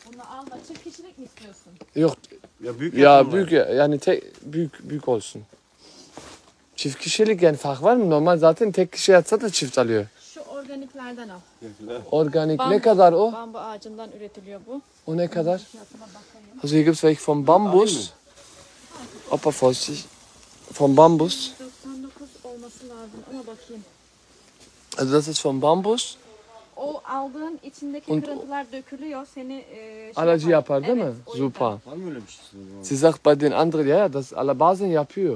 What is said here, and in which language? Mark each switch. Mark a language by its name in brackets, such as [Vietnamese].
[Turkish] Bunu alma. Çift kişilik mi istiyorsun? Yok. Ya büyük. Ya büyük ya. Yani tek büyük olsun. Çift kişilik yani fark var mı? Normal zaten tek kişi yatsa da çift alıyor. Organiklerden al. Organik. Ne kadar o? Bambu ağacından üretiliyor bu. O ne kadar? [German] Also hier gibt es welche von Bambus. Opa vorsichtig. Von Bambus. [Turkish] 99 olması lazım. Ona bakayım. [German] Also das ist von Bambus. [Turkish] O aldığın içindeki [German] und [Turkish] kırıntılar dökülüyor. Seni alerji yapar değil mi? Evet, super. Var mı öyle bir şey? [German] Sie sagt bei den anderen, ja, das [Turkish] bazen yapıyor.